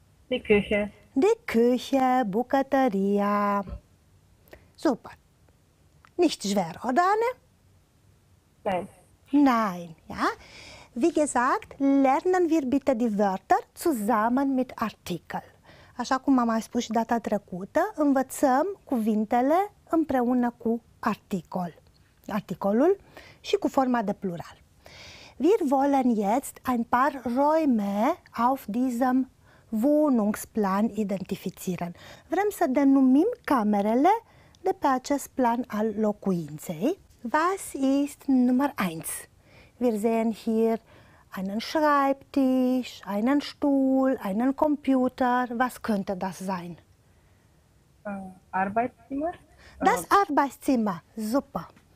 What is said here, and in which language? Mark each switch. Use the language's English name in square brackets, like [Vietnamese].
[German] Die Küche. Die Küche, Bucătăria. Super. Nicht schwer, oder Anne? Nein. Nein, ja. Wie gesagt, lernen wir bitte die Wörter zusammen mit Artikel. [Romanian] Așa cum am mai spus și data trecută, învățăm cuvintele împreună cu articol. Articolul și cu forma de plural. [German] Wir wollen jetzt ein paar Räume auf diesem Wohnungsplan identifizieren. [Romanian] Vrem să denumim camerele de pe acest plan al locuinței. [German] Was ist Nummer 1? Wir sehen hier einen Schreibtisch, einen Stuhl, einen Computer. Was könnte das sein? Arbeitszimmer. Das Arbeitszimmer. Super.